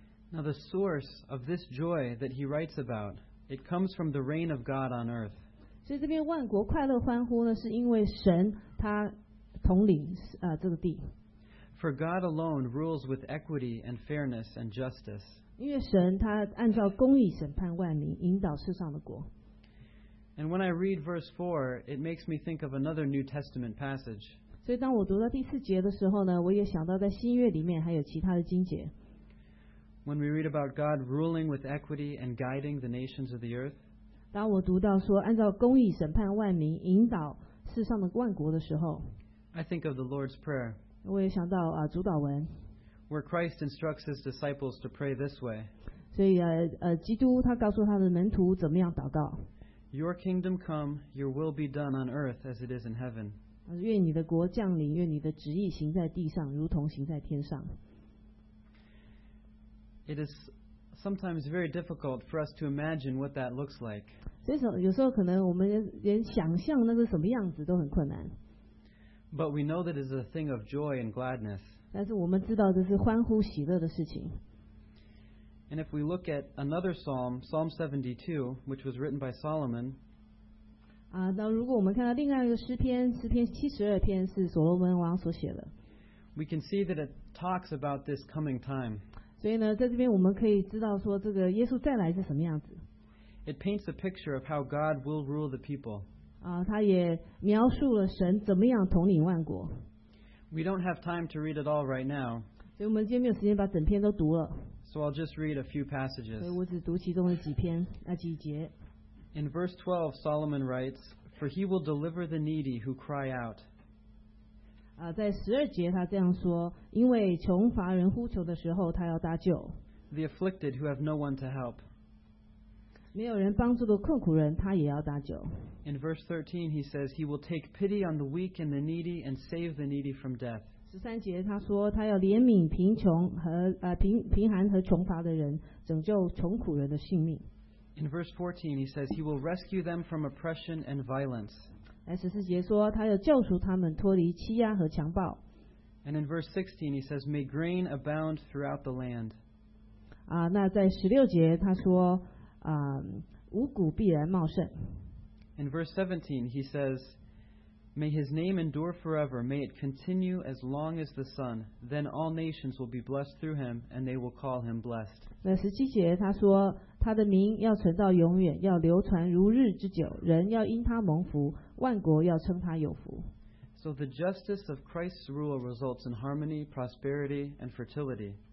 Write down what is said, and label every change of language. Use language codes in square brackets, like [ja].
[en] Now the source of this joy that he writes about, it comes from the reign of God on earth. [zh] 所以这边万国快乐欢呼呢，是因为神他统领这个地。 [en] For God alone rules with equity and fairness and justice. [zh] 因为神他按照公义审判万民，引导世上的国。 [en] And when I read verse 4, it makes me think of another New Testament passage. [zh] 所以当我读到第四节的时候呢，我也想到在新约里面还有其他的经节。 [en] When we read about God ruling with equity and guiding the nations of the earth, [zh] 当我读到说按照公义审判万民，引导世上的万国的时候， [en] I think of the Lord's Prayer. [zh] 我也想到主祷文， [en] where Christ instructs his disciples to pray this way. [zh] 所以基督他告诉他的门徒怎么样祷告。 [en] Your kingdom come, your will be done on earth as it is in heaven. [zh] 愿你的国降临，愿你的旨意行在地上，如同行在天上。 [en] It is sometimes very difficult for us to imagine what that looks like. [zh] 所以有时候可能我们连想象那是什么样子都很困难。 [en] But we know that it is a thing of joy and gladness. [zh] 但是我们知道这是欢呼喜乐的事情。 [en] And if we look at another psalm, Psalm 72, which was written by Solomon, [zh] 那如果我们看到另外一个诗篇，诗篇72篇是所罗门王所写的。 [en] We can see that it talks about this coming time. [zh] 所以呢，在这边我们可以知道说，这个耶稣再来是什么样子。 [en] It paints a picture of how God will rule the people. [zh] 他也描述了神怎么样统领万国。 [en] We don't have time to read it all right now. [zh] 所以我们今天没有时间把整篇都读了。 [en] So I'll just read a few passages. [zh] 所以我只读其中的几篇，几节。 [en] In verse 12, Solomon writes, "For he will deliver the needy who cry out." [zh] 在十二节他这样说，因为穷乏人呼求的时候，他要搭救。 [en] The afflicted who have no one to help. [zh] 没有人帮助的困苦人，他也要搭救。 [en] In verse 13, he says, "He will take pity on the weak and the needy and save the needy from death." [zh] 十三节他说他要怜悯贫穷和贫寒和穷乏的人，拯救穷苦人的性命。 [en] In verse 14 he says he will rescue them from oppression and violence. [zh] 十四节说他要救赎他们脱离欺压和强暴。 [en] And in verse 16 he says may grain abound throughout the land. [zh] 那在十六节他说五谷必然茂盛。 [en] In verse 17 he says May his name endure forever. May it continue as long as the sun. Then all nations will be blessed through him, and they will call him blessed. [zh] 那十七节他说，他的名要存到永远，要流传如日之久。人要因他蒙福，万国要称他有福。 [en] So the justice of Christ's rule results in harmony, prosperity, and fertility.